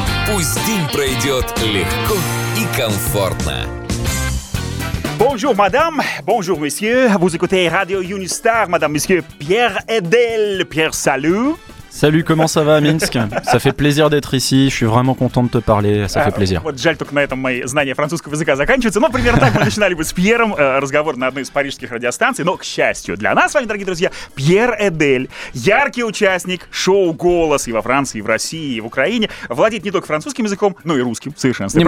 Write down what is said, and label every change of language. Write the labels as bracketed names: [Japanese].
[Russian] Пусть день пройдет легко и комфортно. [French] Bonjour madame, bonjour monsieur. Vous écoutez Radio Unistar, madame, monsieur Pierre Edel. Pierre, salut. Salut, comment ça va à Minsk? Ça fait plaisir d'être ici, je suis vraiment content de te parler, ça fait plaisir. [Russian] Вот жаль, только на этом мои знания французского языка заканчиваются. Но примерно так мы начинали бы с Пьером разговор на одной из парижских радиостанций. Но, к счастью, для нас с вами, дорогие друзья, Пьер Эдель, яркий участник шоу «Голос» и во Франции, и в России, и в Украине. Владеет не только французским языком, но и русским, в совершенстве.